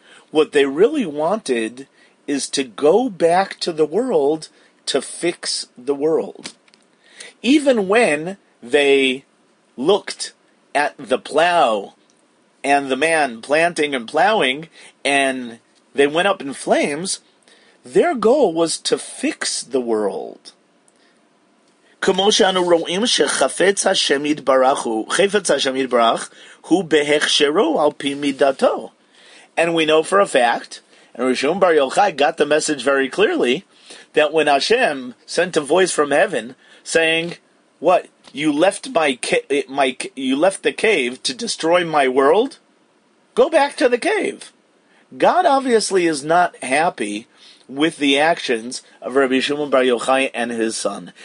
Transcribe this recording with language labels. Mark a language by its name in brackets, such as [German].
[English] What they really wanted is to go back to the world to fix the world. Even when they looked at the plow and the man planting and plowing and they went up in flames, their goal was to fix the world. [Hebrew] כמו שאנו רואים שחפץ השם יתברך הוא, חפץ השם יתברך הוא בהכשרו על פי מידתו. [English] And we know for a fact, and Rav Shimon bar Yochai got the message very clearly, that when Hashem sent a voice from heaven saying, what, you left the cave to destroy my world? Go back to the cave. God obviously is not happy with the actions of Rabbi Shimon bar Yochai and his son.